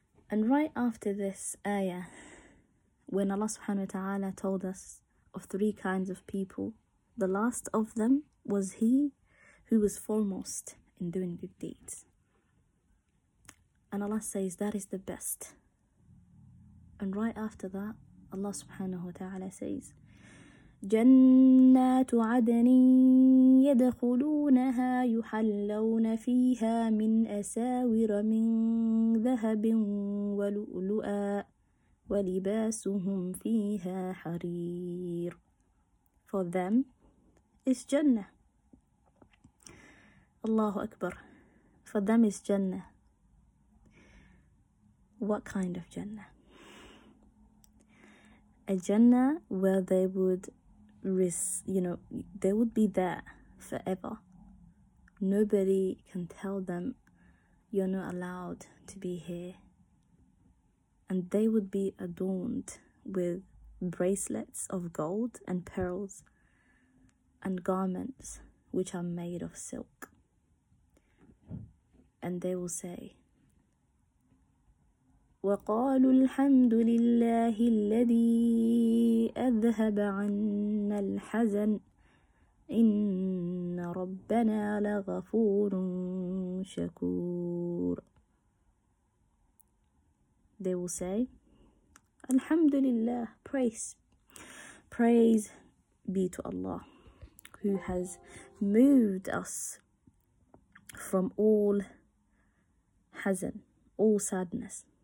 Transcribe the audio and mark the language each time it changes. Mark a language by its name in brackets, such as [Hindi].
[English] And right after this ayah, when Allah subhanahu wa ta'ala told us of three kinds of people, the last of them was he who was foremost in doing good deeds. And Allah says that is the best. And right after that, Allah subhanahu wa ta'ala says, [Arabic] جَنَّاتُ عَدْنٍ يَدْخُلُونَهَا يُحَلَّوْنَ فِيهَا مِنْ أَسَاوِرَ مِنْ ذَهَبٍ وَلُؤْلُؤَا وَلِبَاسُهُمْ فِيهَا حَرِيرٌ. [English] For them is Jannah. Allahu Akbar. For them is Jannah. What kind of Jannah? A Jannah where they would they would be there forever. Nobody can tell them, you're not allowed to be here. And they would be adorned with bracelets of gold and pearls and garments which are made of silk. And they will say, [Arabic] وَقَالُوا الْحَمْدُ لِلَّهِ الَّذِي أَذْهَبَ عَنَّا الْحَزَنِ إِنَّ رَبَّنَا لَغَفُورٌ شَكُورٌ. [English] They will say, Alhamdulillah, praise be to Allah. who has moved us from all hazan, all sadness.